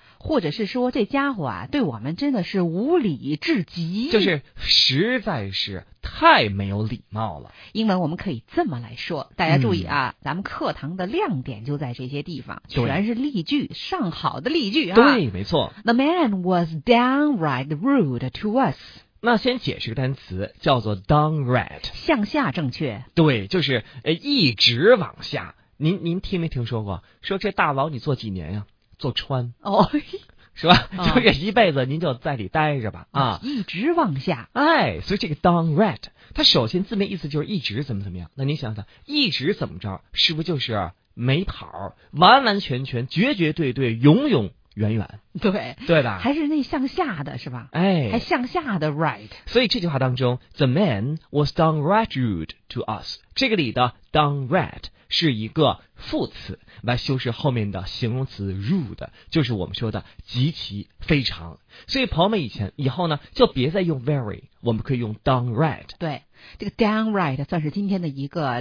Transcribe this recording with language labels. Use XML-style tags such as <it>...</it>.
<zh>或者是说这家伙啊，对我们真的是无礼至极，就是实在是太没有礼貌了。英文我们可以这么来说，大家注意啊，咱们课堂的亮点就在这些地方，全是例句，上好的例句啊。对，没错。</zh> <en>The man was downright rude to us。</en> <zh>那先解释个单词，叫做 downright。向下，正确。对，就是一直往下。您听没听说过？说这大佬你做几年呀？坐穿哦，是吧？就这一辈子您就在里待着吧啊，一直往下。哎，所以这个 downright， 它首先字面意思就是一直怎么怎么样。那您想想，一直怎么着，是不是就是没跑，完完全全，绝绝对对，永永远远？对，对吧？还是那向下的，是吧？哎，还向下的 right。所以这句话当中</zh> <en>，the man was downright rude to us。</en> <zh>这个里的 downright。是一个副词来修饰后面的形容词 rude， 就是我们说的极其、非常。所以朋友们，以后呢，就别再用 very， 我们可以用 downright。对，这个 downright 算是今天的一个</zh>